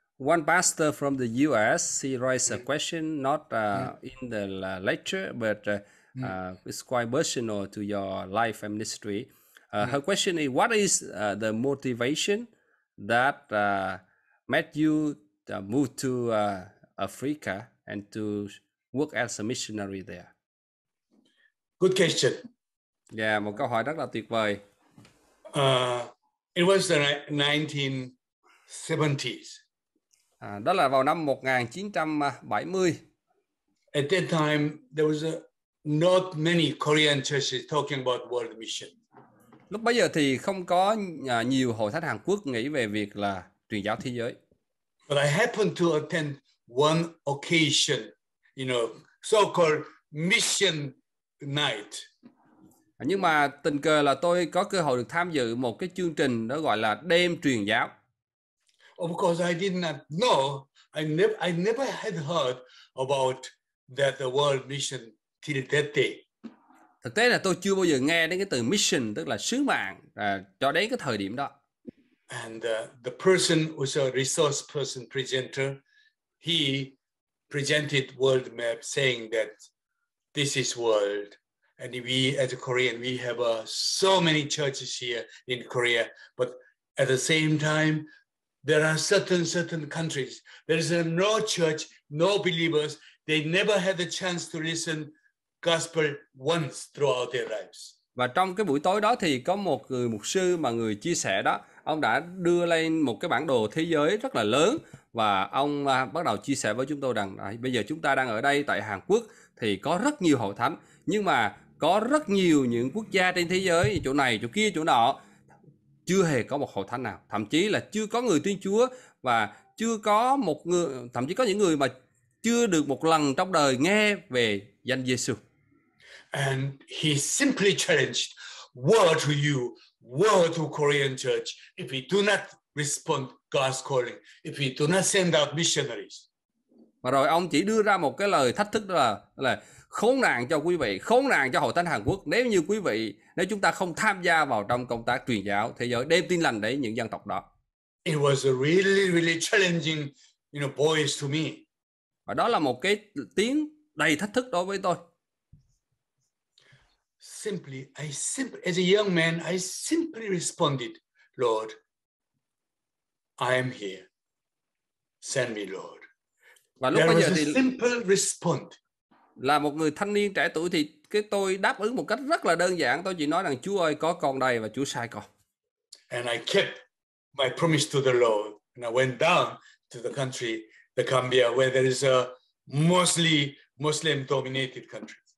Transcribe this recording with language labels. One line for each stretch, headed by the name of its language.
English: One pastor from the US, he writes a question, not in the lecture, but it's quite personal to your life and ministry. Her question is, what is the motivation that made you move to Africa and to work as a missionary there? Good question.
Vietnamese: Yeah, một câu hỏi rất là tuyệt vời.
English: It was the 1970s.
Vietnamese: Đó là vào năm 1970.
English: At that time, there was not many Korean churches talking about world mission.
Vietnamese: Lúc bấy giờ thì không có nhiều hội thánh Hàn Quốc nghĩ về việc là truyền giáo thế giới.
English: But I happened to attend one occasion, you know, so-called mission night.
Vietnamese: Nhưng mà tình cờ là tôi có cơ hội được tham dự một cái chương trình đó gọi là đêm truyền giáo.
English: Of course, I did not know. I never had heard about that the world mission till that day.
Vietnamese: Thực tế là tôi chưa bao giờ nghe đến cái từ mission, tức là sứ mạng, cho đến cái thời điểm đó.
English: And the person was a resource person presenter. He presented world map, saying that this is world, and we as a Korean we have so many churches here in Korea, but at the same time. There are certain countries. There is no church, no believers. They never had the chance to listen gospel once throughout their lives.
Vietnamese: Và trong cái buổi tối đó thì có một người mục sư mà người chia sẻ đó, ông đã đưa lên một cái bản đồ thế giới rất là lớn và ông bắt đầu chia sẻ với chúng tôi rằng bây giờ chúng ta đang ở đây tại Hàn Quốc thì có rất nhiều hội thánh, nhưng mà có rất nhiều những quốc gia trên thế giới, chỗ này, chỗ kia, chỗ nọ, chưa hề có một hội thánh nào, thậm chí là chưa có người tin Chúa và chưa có một người, thậm chí có những người mà chưa được một lần trong đời nghe về danh Giêsu.
English: And he simply challenged, "Woe to you, woe to Korean church, if we do not respond God's calling, if we do not send out missionaries."
Vietnamese: Và rồi ông chỉ đưa ra một cái lời thách thức, đó là khốn nạn cho quý vị, khốn nạn cho hội thánh Hàn Quốc nếu như quý vị, nếu chúng ta không tham gia vào trong công tác truyền giáo thế giới, đem tin lành đến những dân tộc đó.
English: It was a really really challenging, you know, voice to me.
Vietnamese: Và đó là một cái tiếng đầy thách thức đối với tôi.
English: Simply, as a young man, I simply responded, "Lord, I am here. Send me, Lord."
Vietnamese: Và lúc bây giờ thì
English: simple response.
Vietnamese: Là một người thanh niên trẻ tuổi thì cái tôi đáp ứng một cách rất là đơn giản, tôi chỉ nói rằng Chúa ơi, có con đây và Chúa sai con.
English: And I kept my promise to the Lord and I went down to the country, the Cambodia, where there is a mostly Muslim dominated country.